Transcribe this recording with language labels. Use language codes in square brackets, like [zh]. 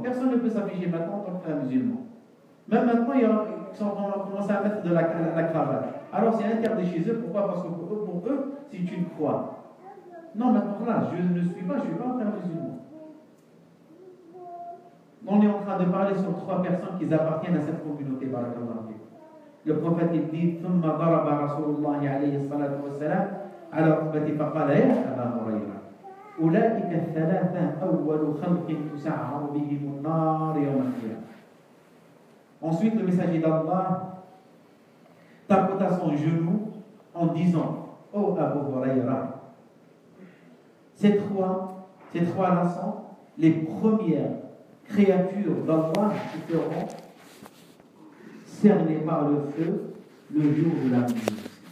[fr] Personne ne peut s'afficher maintenant en tant que frère musulman. Même maintenant, ils ont commencé à mettre de la cravate. Alors c'est interdit chez eux. Pourquoi? Parce que pour eux, c'est une croix. Non, maintenant là, je ne suis pas un frère musulman. On est en train de parler sur trois personnes qui appartiennent à cette communauté, barakallahu anhu. Le prophète il dit, [ar] ثم ضرب رسول الله عليه الصلاة والسلام على ركبتي فقال يا أبا هريرة أولئك الثلاثة أول خلق تسعر بهم النار يوم القيامة. [fr] Ensuite le messager d'Allah tapota son genou en disant, oh Abu Huraira, ces trois-là sont les premières créatures d'Allah qui seront cernées par le feu le jour de la mort.